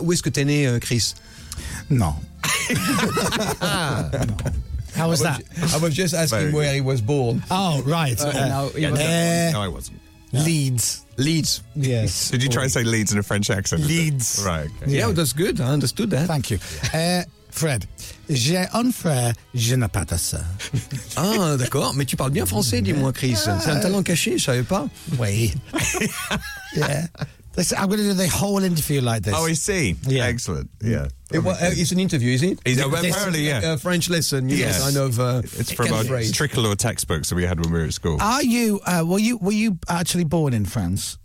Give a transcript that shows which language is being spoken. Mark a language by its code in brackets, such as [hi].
[fr] Où est-ce que t'es né, Chris? Non. [en] How was that? I was just asking where he was born. Oh, right. No, I wasn't. Yeah. Leeds. Leeds. Yes. Did you try and say Leeds in a French accent? Leeds. Right. Okay. Yeah, that's good. I understood that. Thank you. [fr] Fred, j'ai un frère, je n'ai pas de soeur. Ah, d'accord. Mais tu parles bien français, dis-moi, Chris. C'est un talent caché, je ne savais pas. Oui. [en] Yeah. I'm going to do the whole interview like this. Oh, I see. Yeah. Excellent. Yeah. It's an interview, is it? Apparently, yeah. A French lesson. Yes. Yes. Kind of, it's from our Tricolore textbooks that we had when we were at school. Are you, were you actually born in France?